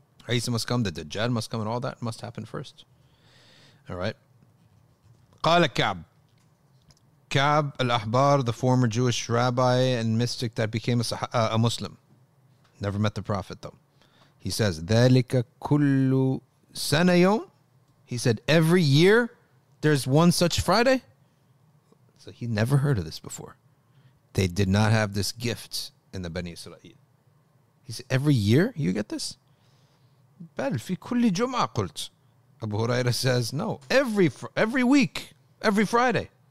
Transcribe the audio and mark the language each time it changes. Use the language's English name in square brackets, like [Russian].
[English] Isa must come, the Dajjal must come, and all that must happen first. Alright. Qala Ka'b al-Ahbar, the former Jewish rabbi and mystic that became a Muslim. Never met the Prophet though. He says, [Arabic] ذَلِكَ كُلُّ سَنَيُمْ. [English] He said, every year there's one such Friday? So he never heard of this before. They did not have this gift in the Bani Israel. He said, every year you get this? [Arabic] بَلْ فِي كُلِّ جُمْعَةٍ قُلْتْ. [English] Abu Huraira says, no, every week, every Friday.